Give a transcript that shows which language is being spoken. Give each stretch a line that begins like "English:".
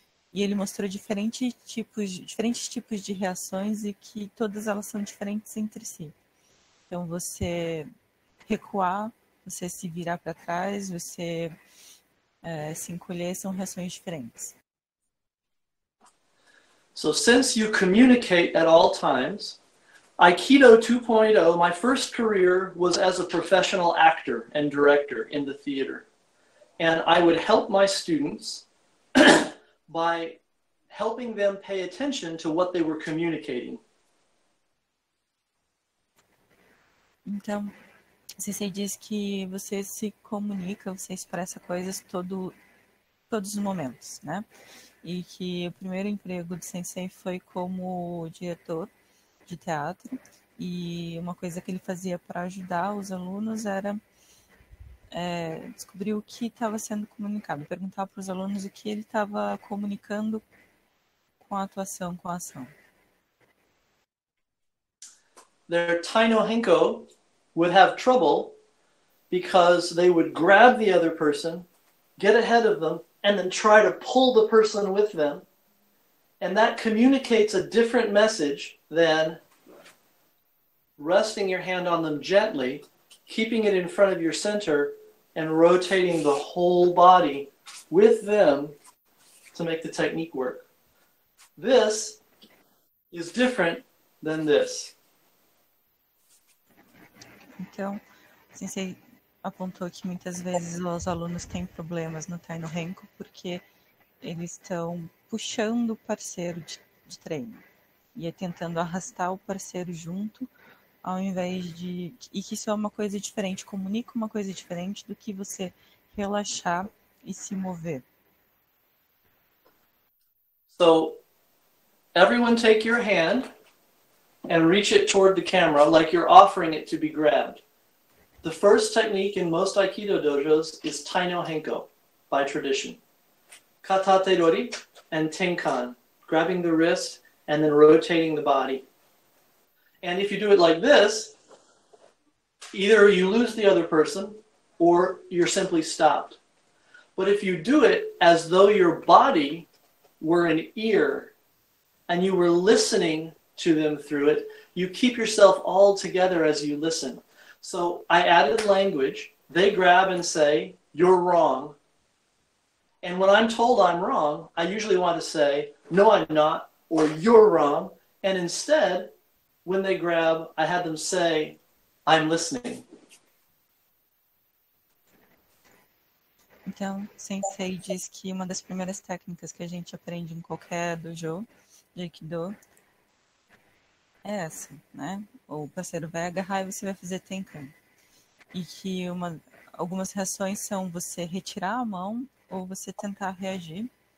Portuguese: E ele mostrou diferentes tipos de reações e que todas elas são diferentes entre si. Então, você recuar, você se virar para trás, você se encolher, são reações diferentes.
English: So, since you communicate at all times, Aikido 2.0, my first career was as a professional actor and director in the theater. And I would help my students by helping them pay attention to what they were communicating.
Portuguese: Então, você diz que você se comunica, você expressa coisas todos os momentos, né? E que o primeiro emprego do sensei foi como diretor de teatro, e uma coisa que ele fazia para ajudar os alunos era descobriu o que estava sendo comunicado, perguntar para os alunos o que ele estava comunicando com a atuação, com a ação.
English: Their Tainohenko would have trouble because they would grab the other person, get ahead of them, and then try to pull the person with them. And that communicates a different message than resting your hand on them gently, keeping it in front of your center, and rotating the whole body with them to make the technique work. This is different than this.
Portuguese: Então, o sensei apontou que muitas vezes os alunos têm problemas no Tainohenko porque eles estão puxando o parceiro de treino e é tentando arrastar o parceiro junto. Ao invés de... E que isso é uma coisa diferente, comunica uma coisa diferente do que você relaxar e se mover.
English: So, everyone take your hand and reach it toward the camera like you're offering it to be grabbed. The first technique in most Aikido dojos is Taino Henko, by tradition. Katate Dori and Tenkan, grabbing the wrist and then rotating the body. And if you do it like this, either you lose the other person or you're simply stopped. But if you do it as though your body were an ear and you were listening to them through it, you keep yourself all together as you listen. So I added language. They grab and say, "You're wrong." And when I'm told I'm wrong, I usually want to say, "No, I'm not," or "You're wrong." And instead, when they grab, I have them say, "I'm listening."
Portuguese: Então, Sensei diz que uma das primeiras técnicas que a gente aprende em qualquer dojo de Aikido é essa, né? O parceiro vai agarrar e você vai fazer tenkan. E que algumas reações são você retirar a mão ou você tentar reagir.